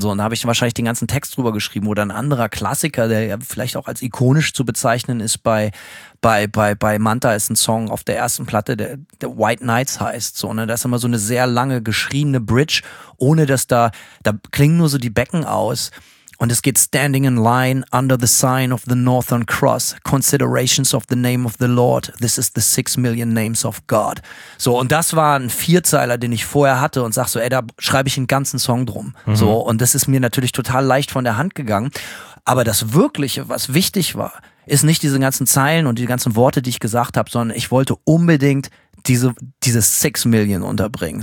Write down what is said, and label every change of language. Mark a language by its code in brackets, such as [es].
[de] So, und da habe ich wahrscheinlich den ganzen Text drüber geschrieben. Oder ein anderer Klassiker, der ja vielleicht auch als ikonisch zu bezeichnen ist bei Manta, ist ein Song auf der ersten Platte, der White Nights heißt. So, ne? Da ist immer so eine sehr lange geschriebene Bridge, ohne dass da klingen nur so die Becken aus. Und es geht [en] standing in line under the sign of the Northern Cross, considerations of the name of the Lord, this is the 6 million names of God. [de] So, und das war ein Vierzeiler, den ich vorher hatte und sag so, ey, da schreibe ich einen ganzen Song drum. Mhm. So, und das ist mir natürlich total leicht von der Hand gegangen. Aber das Wirkliche, was wichtig war, ist nicht diese ganzen Zeilen und die ganzen Worte, die ich gesagt habe, sondern ich wollte unbedingt diese 6 million unterbringen.